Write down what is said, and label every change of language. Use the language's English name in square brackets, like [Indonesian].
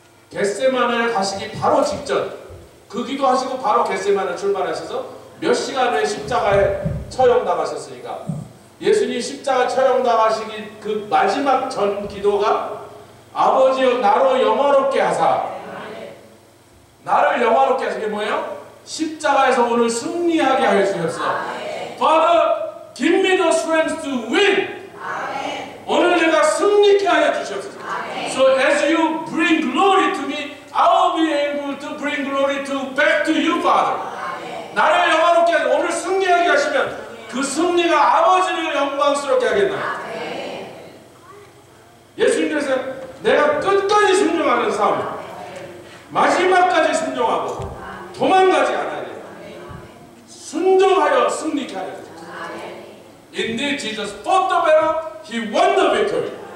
[Korean] 겟세마네 가시기 바로 직전, 그 기도하시고 바로 겟세마네 출발하셔서 몇 시간 후에 십자가에 처형 나가셨으니까 예수님 십자가 처형 나가시기 그 마지막 전 기도가 아버지여 나로 영화롭게 하사 나를 영화롭게 하신 게 뭐예요? 십자가에서 오늘 승리하게 하여 주셨어. [English] Father, give me the strength to win. [Korean] 오늘 내가 승리케 하여 주셨어. [English] So as you bring glory to me, I'll be able to bring glory to back to you, Father. [Korean] 나를 영화롭게 하시고 오늘 승리하게 하시면 그 승리가 아버지를 영광스럽게 하겠나. 예수님께서 내가 끝까지 순종하는 삶 마지막까지 순종하고 도망가지 않아야 돼. 순종하여 승리케 하려. [English] Indeed Jesus fought the battle, he won the victory.